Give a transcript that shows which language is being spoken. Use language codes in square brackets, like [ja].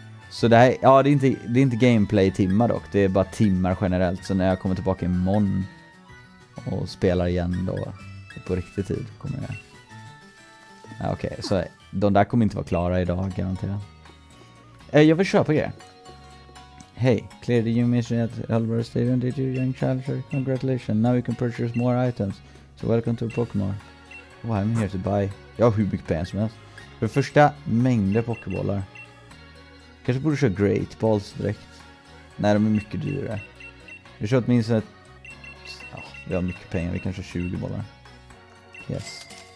[sv] Så det här, ja det är inte gameplay timmar dock, det är bara timmar generellt. Så när jag kommer tillbaka imorgon och spelar igen då på riktig tid kommer jag. Ja, okej, okay, så de där kommer inte vara klara idag garanterat. Jag vill köpa grejer. [en] Hey, cleared the mission at Elbrus Stadium, did you young challenger? Congratulations, now you can purchase more items. So welcome to Pokémon. Oh, I'm here to buy. [sv] Jag har hur mycket pengar som helst. För första mängder Pokéballar. Kanske borde köra Great Balls direkt. Nej, de är mycket dyrare. Vi kör åtminstone ett... Ja, vi har mycket pengar. Vi kanske 20 bollar. Yes.